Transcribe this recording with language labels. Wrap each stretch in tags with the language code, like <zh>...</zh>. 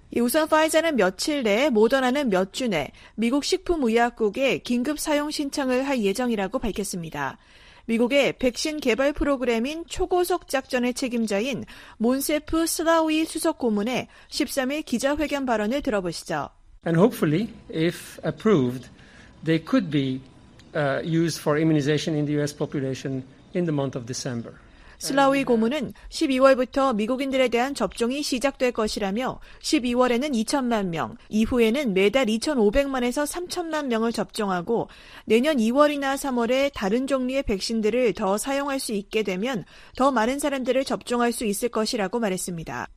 <ko>우선 파이자는 며칠 내에, 모더나는 몇 주 내에 미국 식품의약국에 긴급 사용 신청을 할 예정이라고 밝혔습니다. 미국의 백신 개발 프로그램인 초고속 작전의 책임자인 몬세프 슬라위 수석 고문의 13일 기자회견 발언을 들어보시죠.</ko> <en>And hopefully, if approved, they could be used for immunization in the U.S. population in the month of December.</en> <ko>슬라위 고문은 12월부터 미국인들에 대한 접종이 시작될 것이라며 12월에는 2천만 명, 이후에는 매달 2,500만에서 3천만 명을 접종하고 내년 2월이나 3월에 다른 종류의 백신들을 더 사용할 수 있게 되면 더 많은 사람들을 접종할 수 있을 것이라고 말했습니다.</ko>